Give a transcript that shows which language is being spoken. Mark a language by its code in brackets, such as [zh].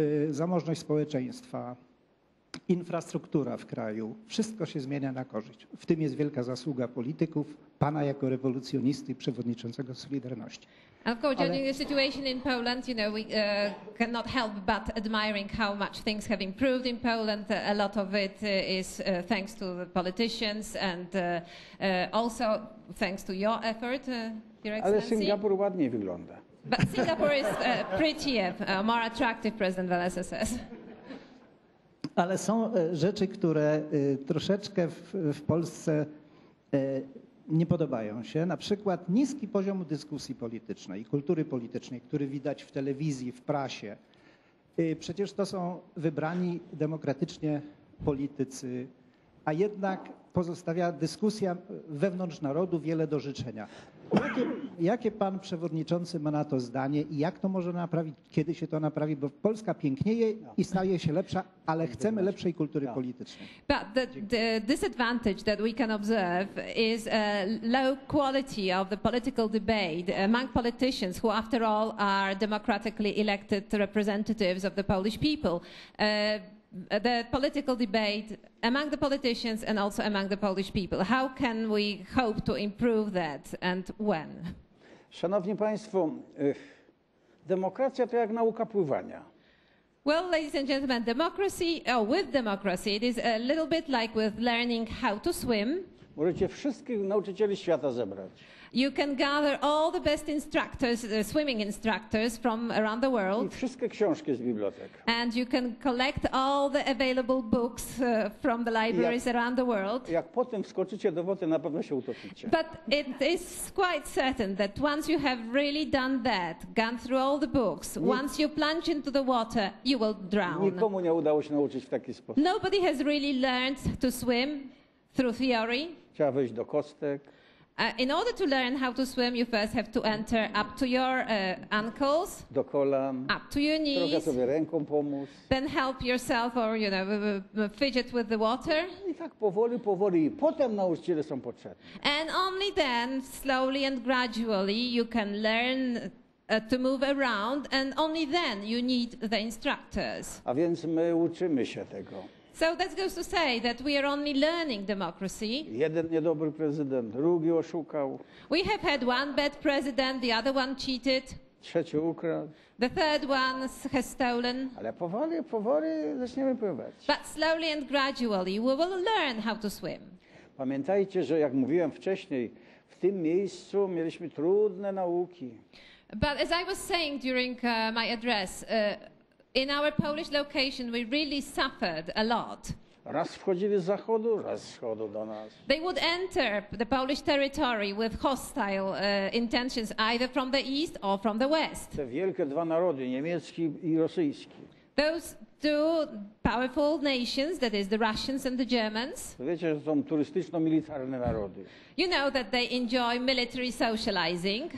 [pl] Zamożność społeczeństwa, infrastruktura w kraju, wszystko się zmienia na korzyść. W tym jest wielka zasługa polityków, pana jako rewolucjonisty, przewodniczącego Solidarności. [en] Of course, judging the situation in Poland, you know, we cannot help but admiring how much things have improved in Poland. A lot of it is thanks to the politicians and also thanks to your effort, Your Excellency. [pl] Ale Singapur ładnie wygląda. [en] But Singapore is prettier, more attractive, President Wałęsa says. [pl] Ale są rzeczy, które troszeczkę w Polsce nie podobają się. Na przykład niski poziom dyskusji politycznej, kultury politycznej, który widać w telewizji, w prasie. Przecież to są wybrani demokratycznie politycy, a jednak pozostawia dyskusja wewnątrz narodu wiele do życzenia. Jakie pan przewodniczący ma na to zdanie i jak to może naprawić, kiedy się to naprawi, bo Polska pięknieje i staje się lepsza, ale chcemy lepszej kultury politycznej. [en] But the disadvantage that we can observe is a low quality of the political debate among politicians who after all are democratically elected representatives of the Polish people. The political debate among the politicians and also among the Polish people. How can we hope to improve that and when? [pl] Szanowni Państwo, demokracja to jak nauka pływania. [en] Well, ladies and gentlemen, democracy, or with democracy, it is a little bit like with learning how to swim. [pl] Możecie wszystkich nauczycieli świata zebrać. [en] You can gather all the best instructors, swimming instructors from around the world. [pl] I wszystkie książki z bibliotek. [en] And you can collect all the available books from the libraries around the world. [pl] Jak potem wskoczycie do wody, na pewno się utopicie. [en] But it is quite certain that once you have really done that, gone through all the books, once you plunge into the water, you will drown. [pl] Nikomu nie udało się nauczyć w taki sposób. [en] Nobody has really learned to swim through theory. [pl] Trzeba wejść do kostek. [en] In order to learn how to swim, you first have to enter up to your ankles, [pl] do kolan, [en] up to your knees, [pl] trochę sobie ręką pomóc, [en] then help yourself or you know, fidget with the water. [pl] I tak powoli, powoli, i potem nauczyciele są potrzebne. [en] And only then, slowly and gradually, you can learn to move around, and only then you need the instructors. [pl] A więc my uczymy się tego. [en] So that goes to say that we are only learning democracy. [pl] Jeden niedobry prezydent, drugi oszukał. [en] We have had one bad president, the other one cheated. [pl] Trzeci ukradł. [en] The third one has stolen. [pl] Ale powoli, powoli zaczniemy pływać. [en] But slowly and gradually we will learn how to swim. [pl] Pamiętajcie, że jak mówiłem wcześniej, w tym miejscu mieliśmy trudne nauki. [en] But as I was saying during my address, in our Polish location, we really suffered a lot. [pl] Raz wchodzili z zachodu, raz z wschodu do nas. [en] They would enter the Polish territory with hostile intentions, either from the east or from the west. [pl] Te wielkie dwa narody, niemiecki i rosyjski. [en] Those two powerful nations, that is the Russians and the Germans. [pl] Wiecie, że są turystyczno-militarne narody. [en] You know that they enjoy military socializing.